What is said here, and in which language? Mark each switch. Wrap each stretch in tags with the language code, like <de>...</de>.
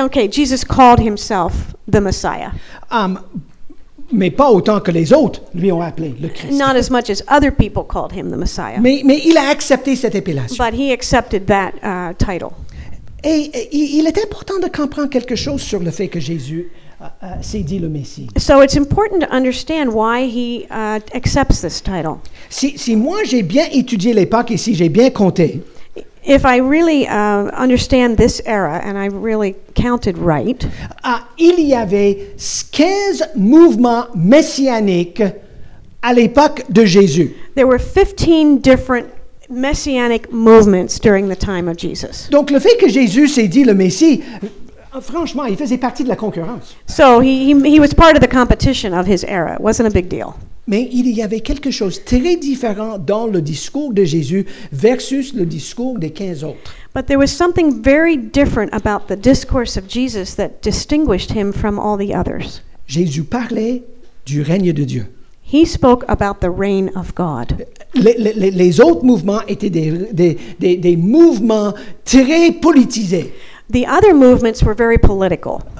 <en>Jesus called himself the Messiah.</en> <fr>Mais pas autant que les autres lui ont appelé le Christ.</fr> <en>Not as much as other people called him the Messiah.</en> <fr>Mais il a accepté cette appellation.</fr> <en>But he accepted that title.</en> <fr>Et il est important de comprendre quelque chose sur le fait que Jésus s'est dit le Messie.</fr> <en>So it's important to understand why he accepts this title.</en> <fr>Si moi j'ai bien étudié l'époque ici, j'ai bien compté.</fr> <en>If I really understand this era and I really counted right.</en> <fr>Il y avait 15 mouvements messianiques à l'époque de Jésus.</fr> <en>There were 15 different messianic movements during the time of Jesus.</en> <fr>Donc le fait que Jésus s'est dit le Messie, franchement, il faisait partie de la concurrence.</fr> <en>So he was part of the competition of his era. It wasn't a big deal.</en> <fr>Mais il y avait quelque chose très différent dans le discours de Jésus versus le discours des 15 autres.</fr> <en>But there was something very different about the discourse of Jesus that distinguished him from all the others.</en> <fr>Jésus parlait du règne de Dieu.</fr> <en>He spoke about the reign of God.</en> <fr>Les autres mouvements étaient des mouvements très politisés.</fr> <en>The other movements were very political.</en>